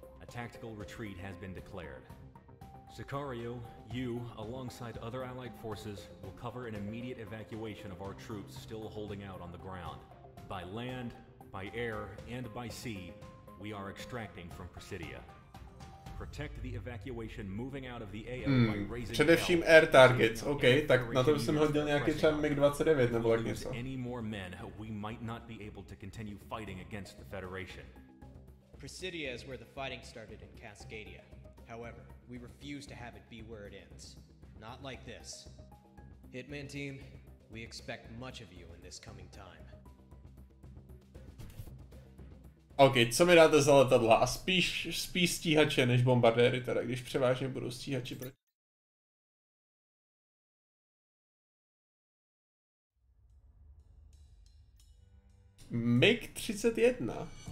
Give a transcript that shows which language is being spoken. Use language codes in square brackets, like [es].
[en] A tactical retreat has been declared. Sicario, you, alongside other allied forces, will cover an immediate evacuation of our troops still holding out on the ground. By land, by air, and by sea, we are extracting from Presidia. Protect the evacuation moving out of the AO by raising [cs] především [en] air targets. [cs] Okay, tak na to jsem hodil nějaký třeba MiG-29 nebo tak něco. [en] Any more men, we might not be able to continue fighting against the Federation. Presidia is where the fighting started in Cascadia. However, we refuse to have it be where it ends. Not like this. Hitman team, we expect much of you in this coming time. [cs] OK, co mi dáte za letadla? A spíš stíhače než bombardéry teda, když převážně budou stíhači proti. MiG-31.